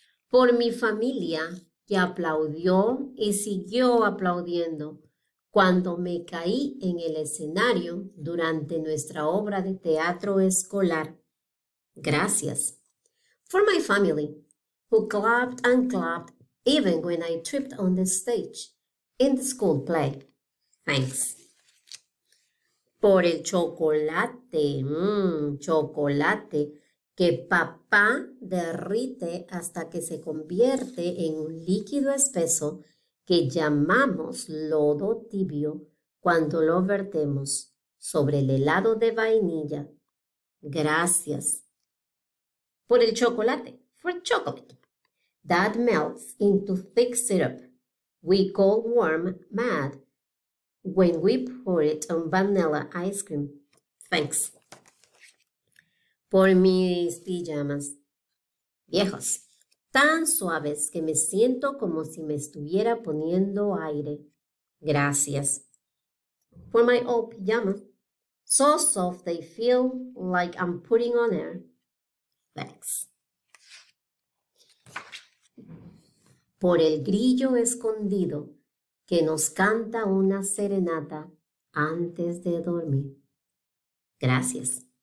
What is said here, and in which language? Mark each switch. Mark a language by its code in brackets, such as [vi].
[es] Por mi familia que aplaudió y siguió aplaudiendo cuando me caí en el escenario durante nuestra obra de teatro escolar. Gracias. [en] For my family, who clapped and clapped even when I tripped on the stage in the school play. Thanks. [es] Por el chocolate, chocolate que papá derrite hasta que se convierte en un líquido espeso que llamamos lodo tibio cuando lo vertemos sobre el helado de vainilla. Gracias. Por el chocolate, [en] for chocolate, That melts into thick syrup. We call warm mad when we pour it on vanilla ice cream. Thanks. [es] Por mis pijamas viejos, tan suaves que me siento como si me estuviera poniendo aire. Gracias. [en] For my old pijamas, so soft they feel like I'm putting on air. Thanks. [es] Por el grillo escondido que nos canta una serenata antes de dormir. Gracias.